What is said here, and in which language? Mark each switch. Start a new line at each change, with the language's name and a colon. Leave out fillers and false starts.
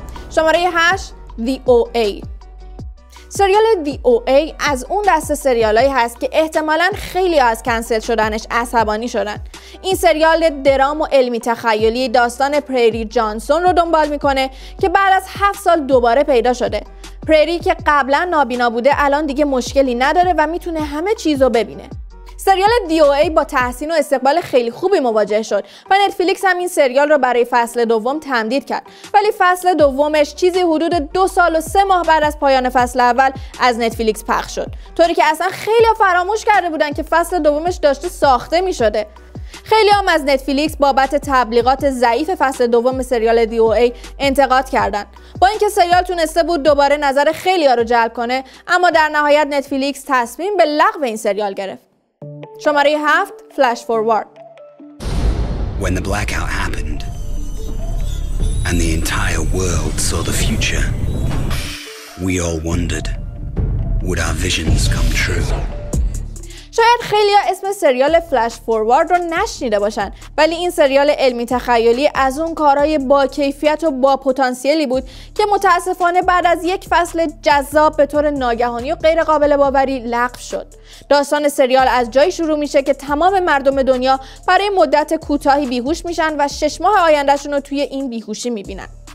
Persian: شماره 8، The OA. سریال The OA از اون دسته سریالایی هست که احتمالاً خیلی از کنسل شدنش عصبانی شدن. این سریال درام و علمی تخیلی داستان پریری جانسون رو دنبال میکنه که بعد از 7 سال دوباره پیدا شده. پریری که قبلا نابینا بوده الان دیگه مشکلی نداره و میتونه همه چیز رو ببینه. سریال دی او ای با تحسین و استقبال خیلی خوبی مواجه شد و نتفلیکس هم این سریال رو برای فصل دوم تمدید کرد، ولی فصل دومش چیزی حدود 2 سال و 3 ماه بعد از پایان فصل اول از نتفلیکس پخش شد، طوری که اصلا خیلی فراموش کرده بودن که فصل دومش داشته ساخته می شده. خیلی هم از نتفلیکس بابت تبلیغات ضعیف فصل دوم سریال دی او ای انتقاد کردند. با اینکه سریال تونسته بود دوباره نظر خیلی ها رو جلب کنه، اما در نهایت نتفلیکس تصمیم به لغو این سریال گرفت. شماره 7، فلش فوروارد.
English: When the blackout happened and the entire world saw the future, we all wondered would our visions come true.
Persian: شاید خیلی ها اسم سریال فلش فوروارد رو نشنیده باشن، ولی این سریال علمی تخیلی از اون کارهای با کیفیت و با پتانسیلی بود که متاسفانه بعد از یک فصل جذاب به طور ناگهانی و غیر قابل باوری لغو شد. داستان سریال از جایی شروع میشه که تمام مردم دنیا برای مدت کوتاهی بیهوش میشن و 6 ماه آیندهشون رو توی این بیهوشی میبینن.